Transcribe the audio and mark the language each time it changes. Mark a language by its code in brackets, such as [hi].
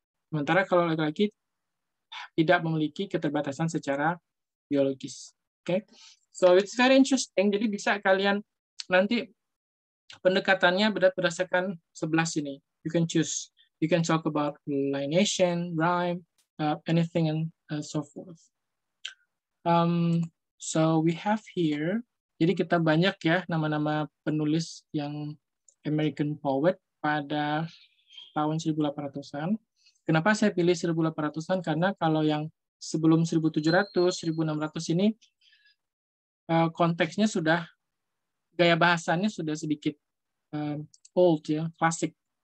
[id] Sementara kalau laki-laki tidak memiliki keterbatasan secara biologis. Okay? [en] So it's very interesting. [id] Jadi bisa kalian nanti pendekatannya berdasarkan 11 ini. [en] You can choose. You can talk about lineation, rhyme, anything and so forth. So we have here. [id] Jadi kita banyak ya nama-nama penulis yang American poet pada tahun 1800-an. Kenapa saya pilih 1800-an? Karena kalau yang sebelum 1700, 1600 ini konteksnya sudah, gaya bahasanya sudah sedikit old ya, klasik.